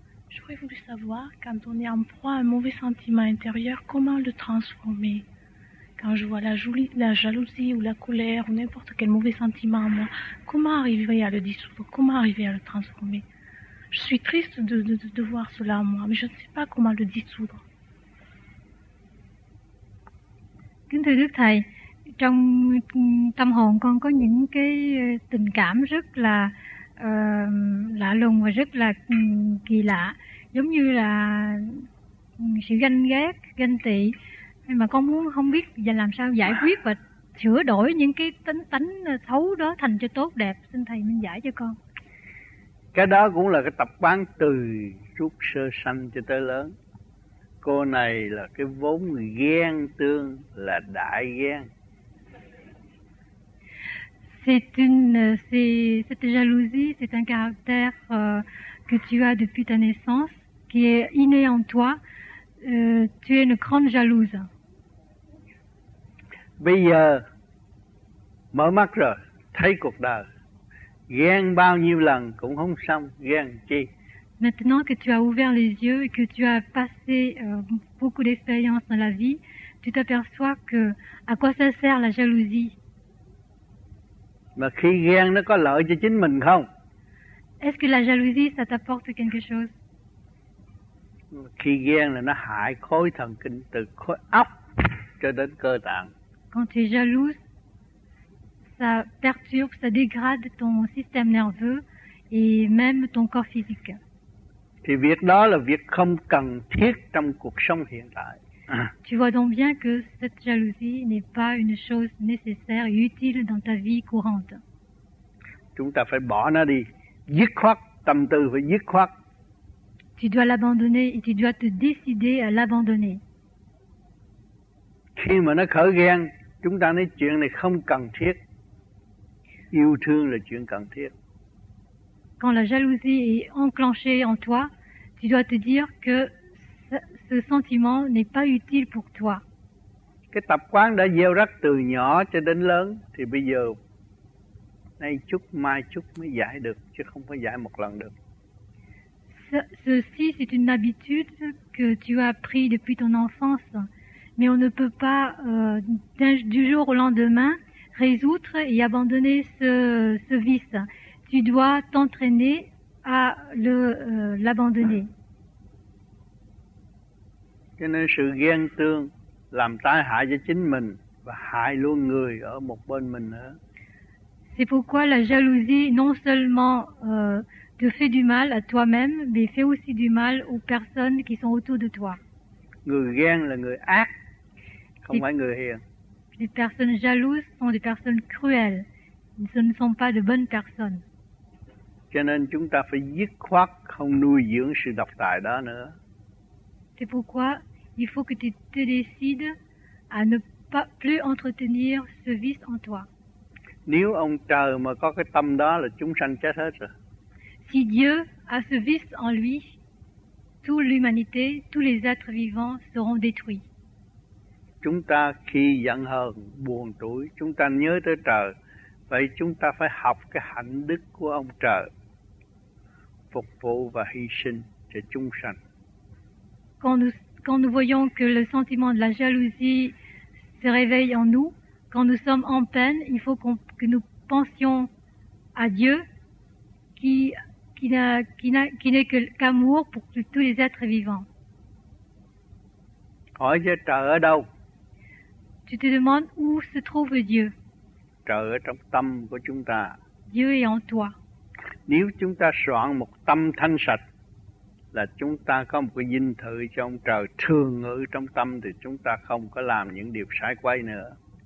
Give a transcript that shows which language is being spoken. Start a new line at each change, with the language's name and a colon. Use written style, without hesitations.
French: Je voudrais vous savoir, quand on est en proie à un mauvais sentiment intérieur, comment le transformer? Quand je vois la jalousie ou la colère ou n'importe quel mauvais sentiment en moi, comment arriver à le dissoudre? Comment arriver à le transformer? Je suis triste de voir cela en moi, mais je ne sais pas comment le dissoudre.
Vietnamese: Kính thưa Đức Thầy, trong tâm hồn con có những cái tình cảm rất là lạ lùng và rất là kỳ lạ, giống như là sự ganh ghét, ganh tị. Nhưng mà con muốn không biết và làm sao giải quyết và sửa đổi những cái tánh xấu đó thành cho tốt đẹp. Xin thầy minh giải cho con. Cái đó cũng là cái tập quán từ chút sơ sanh cho tới lớn. Cô này là cái vốn ghen tương, là đại ghen.
French: Cette jalousie, c'est un caractère que tu as depuis ta naissance, qui est inné en toi. Tu es une grande jalouse.
Vietnamese: Bây giờ mở mắt rồi, thấy cuộc đời ghen bao nhiêu lần cũng không xong, ghen chi.
French: Maintenant que tu as ouvert les yeux et que tu as passé beaucoup d'expériences dans la vie, tu t'aperçois que à quoi ça sert la jalousie?
Vietnamese: Mà khi ghen nó có lợi cho chính mình không?
French: Est-ce que la jalousie ça t'apporte quelque chose?
Vietnamese: Khi ghen là nó hại khối thần kinh từ khối óc cho đến cơ tạng.
French: Quand tu es jalouse, ça perturbe, ça dégrade ton système nerveux et même ton corps physique.
Vietnamese: Thì việc đó là việc không cần thiết trong cuộc sống hiện tại.
French: Tu vois donc bien que cette jalousie n'est pas une chose nécessaire et utile dans ta vie courante.
Vietnamese: Chúng ta phải bỏ nó đi, dứt khoát, tâm tư phải dứt khoát.
French: Tu dois l'abandonner et tu dois te décider à l'abandonner.
Vietnamese: Khi mà nó khởi ghen, chúng ta nói chuyện này không cần thiết. Yêu thương là chuyện cần thiết.
French: Quand la jalousie est enclenchée en toi, tu dois te dire que ce sentiment n'est pas utile pour toi.
Vietnamese: Cái tập quán đã gieo rắc từ nhỏ cho đến lớn, thì bây giờ nay chút mai chút mới giải được, chứ không có giải một lần được.
French: Ceci c'est une habitude que tu as pris depuis ton enfance. Mais on ne peut pas du jour au lendemain résoudre et abandonner ce vice. Tu dois t'entraîner à l'abandonner.
Vietnamese: Cho nên sự ghen tương làm tai hại cho chính mình và hại luôn người ở một bên mình nữa.
French: C'est pourquoi la jalousie non seulement te fait du mal à toi-même, mais fait aussi du mal aux personnes qui sont autour de toi.
Vietnamese: Người ghen là người ác, không phải người hiền.
French: Les personnes jalouses sont des personnes cruelles. Ce ne sont pas de bonnes personnes.
Vietnamese: Cho nên chúng ta phải dứt khoát không nuôi dưỡng sự độc tài đó nữa.
French: C'est pourquoi il faut que tu te décides à ne pas plus entretenir ce vice en toi.
Vietnamese: Nếu ông trời mà có cái tâm đó là chúng sanh chết hết rồi.
French: Si Dieu a ce vice en lui, toute l'humanité, tous les êtres vivants seront détruits.
Vietnamese: Chúng ta khi giận hờn, buồn tủi, chúng ta nhớ tới trời, vậy chúng ta phải học cái hạnh đức của ông trời, phục vụ và hy sinh cho chúng sanh.
French: Quand nous voyons que le sentiment de la jalousie se réveille en nous, quand nous sommes en peine, il faut que nous pensions à Dieu qui n'est que qu'amour pour tous les êtres vivants.
Vietnamese: Hỏi cho trời ở đâu?
French: Tu te demandes où se trouve Dieu?
Vietnamese: Trời ở trong tâm của chúng ta.
French: Dieu est en toi.
Vietnamese: Nếu chúng ta soạn một tâm thanh sạch, là chúng ta có một cái dinh thự cho ông trời thường ngự trong tâm, thì chúng ta không có làm những điều sai quay nữa.